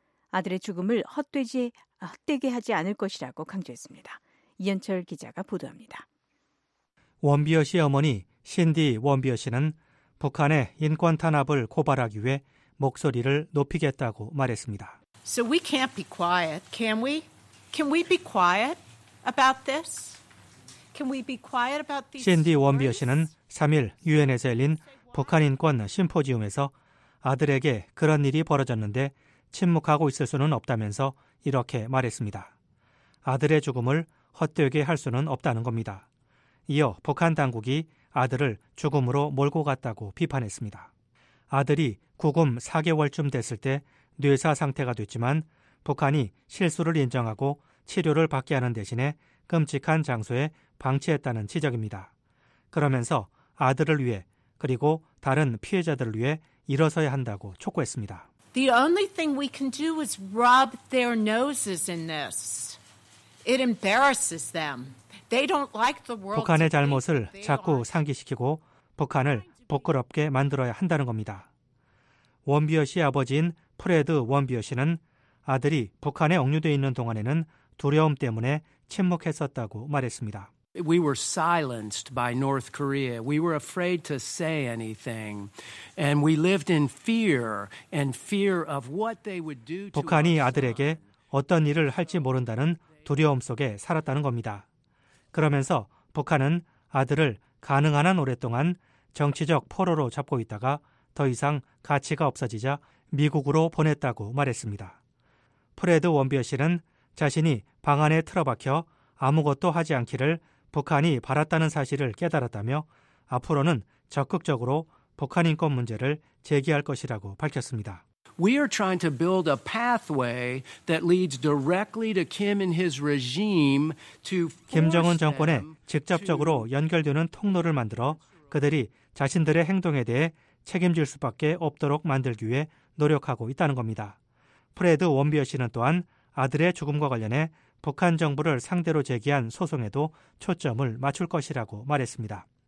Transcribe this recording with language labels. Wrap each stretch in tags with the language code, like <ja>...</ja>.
<ko>아들의 죽음을 헛되게 하지 않을 것이라고 강조했습니다. 이현철 기자가 보도합니다. 원비어 씨 어머니 신디 원비어 씨는 북한의 인권 탄압을 고발하기 위해 목소리를 높이겠다고 말했습니다.</ko> <en>So we can't be quiet, can we? Can we be quiet about this? Can we be quiet about these?</en> <ko>신디 원비어 씨는 3일 유엔에서 열린 북한 인권 심포지엄에서 아들에게 그런 일이 벌어졌는데 침묵하고 있을 수는 없다면서 이렇게 말했습니다. 아들의 죽음을 헛되게 할 수는 없다는 겁니다. 이어 북한 당국이 아들을 죽음으로 몰고 갔다고 비판했습니다. 아들이 구금 4개월쯤 됐을 때 뇌사 상태가 됐지만 북한이 실수를 인정하고 치료를 받게 하는 대신에 끔찍한 장소에 방치했다는 지적입니다. 그러면서 아들을 위해 그리고 다른 피해자들을 위해 일어서야 한다고 촉구했습니다.</ko> <en>The only thing we can do is rub their noses in this. It embarrasses them. They don't like the world.</en> <ko>북한의 잘못을 자꾸 상기시키고 북한을 부끄럽게 만들어야 한다는 겁니다. 원비어 씨 아버지인 프레드 원비어 씨는 아들이 북한에 억류돼 있는 동안에는 두려움 때문에 침묵했었다고 말했습니다.</ko> <en>We were silenced by North Korea. We were afraid to say anything. And we lived in fear and fear of what they would do to us.</en> <ko>북한이 아들에게 어떤 일을 할지 모른다는 두려움 속에 살았다는 겁니다. 그러면서 북한은 아들을 가능한 한 오랫동안 정치적 포로로 잡고 있다가 더 이상 가치가 없어지자 미국으로 보냈다고 말했습니다. 프레드 원비어 씨는 자신이 방 안에 틀어박혀 아무것도 하지 않기를 북한이 바랐다는 사실을 깨달았다며 앞으로는 적극적으로 북한 인권 문제를 제기할 것이라고 밝혔습니다.</ko> <en>We are trying to build a pathway that leads directly to Kim and his regime to</en> <ko>김정은 정권에 직접적으로 연결되는 통로를 만들어 그들이 자신들의 행동에 대해 책임질 수밖에 없도록 만들기 위해 노력하고 있다는 겁니다. 프레드 원비어 씨는 또한 아들의 죽음과 관련해 북한 정부를 상대로 제기한 소송에도 초점을 맞출 것이라고 말했습니다.</ko>